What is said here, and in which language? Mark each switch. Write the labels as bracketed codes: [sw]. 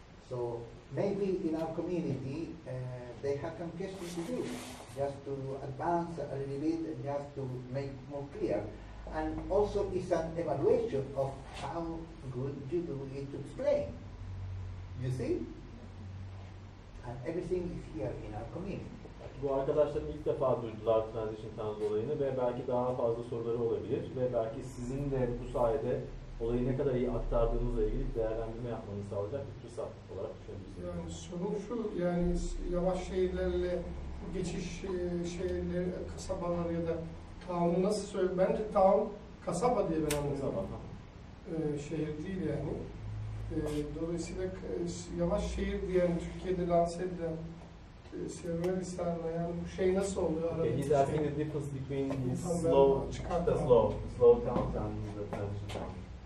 [en] So maybe in our community they have some questions to do, just to advance a little bit and just to make more clear. And also it's an evaluation of how good you do it to explain. You see? And everything is here in our community. [tr] Bu arkadaşlar ilk defa duydular transition towns olayını ve belki daha fazla soruları olabilir ve belki sizin de bu sayede olayı ne kadar iyi aktardığınızla ilgili değerlendirme yapmanızı sağlayacak bir fırsat olarak düşünüyorum. Yani sorun şu, yani yavaş şehirlerle geçiş şehirleri, kasabalar ya da town'u nasıl söyleyeyim? Bence town kasaba diye ben anlıyorum. Şehir değil yani. Dolayısıyla yavaş şehir diyen, Türkiye'de lanse edilen sevme listelerine yani bu şey nasıl oluyor? [en] Okay, he's asking the difference between slow town and the transition town.